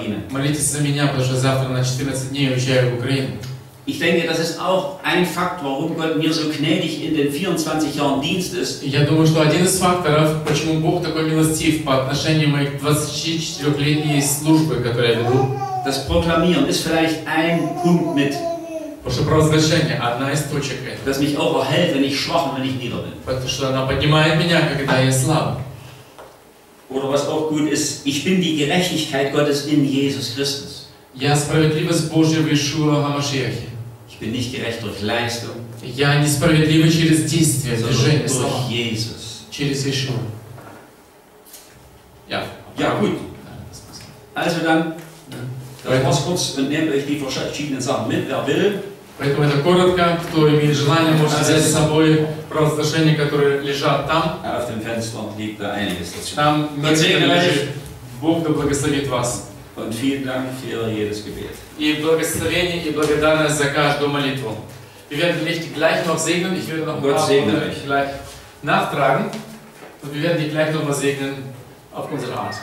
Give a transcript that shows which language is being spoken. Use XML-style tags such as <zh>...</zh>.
<ru>Молитесь за меня, потому что завтра на 14 дней уезжаю в Украину.</ru> <de>Ich denke, das ist auch ein Fakt, warum Gott mir so gnädig in den 24 Jahren Dienst ist.</de> <ru>Я думаю, что один из факторов, почему Бог такой милостив по отношению моих 24-летней службы, которую я веду.</ru> <de>Das Proklamieren ist vielleicht ein Punkt mit.</de> <ru>Потому что провозглашение – одна из точек.</ru> <de>Das mich auch erhält, wenn ich schwach und wenn ich nieder bin.</de> <ru>Потому что она поднимает меня, когда я слаб.</ru> <de>Oder was auch gut ist, ich bin die Gerechtigkeit Gottes in Jesus Christus.</de> <ru>Я справедливость Божья в Иешуа ха-Машиахе.</ru> <de>Ich bin nicht gerecht durch Leistung.</de> <ru>Я не справедливый через действие, движение слова.</ru> <de>Durch Jesus.</de> <ru>Через Иешуа.</ru> <de>Ja. Ja, gut. Also dann, das war's kurz und nehmt euch die verschiedenen Sachen mit, wer will.</de> <ru>Поэтому это коротко, кто имеет желание, может взять с собой провозглашения, которые лежат там.</ru> <de>Auf dem Fenster liegt da einiges dazu.</de> <ru>Там, mir сказали, Бог да благословит вас.</ru> <de>Und vielen Dank für jedes Gebet.</de> <ru>И благословение и благодарность за каждую молитву.</ru> <de>Wir werden dich gleich noch segnen. Ich werde noch gleich nachtragen. Und wir werden dich gleich noch mal segnen auf unsere Art.</de>